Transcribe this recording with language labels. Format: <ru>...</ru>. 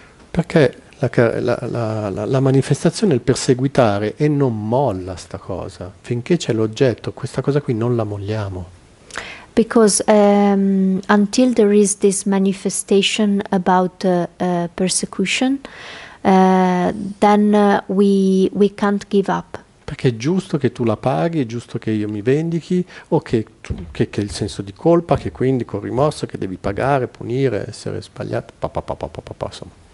<it>Perché la manifestazione, il perseguitare, e non molla sta cosa. Finché c'è l'oggetto, questa cosa qui non la molliamo.</it> <en>Because until there is this manifestation about persecution, then we can't give up.</en> <it>Perché è giusto che tu la paghi, è giusto che io mi vendichi, o che il senso di colpa, che quindi col rimorso, che devi pagare, punire, essere sbagliato, insomma.</it>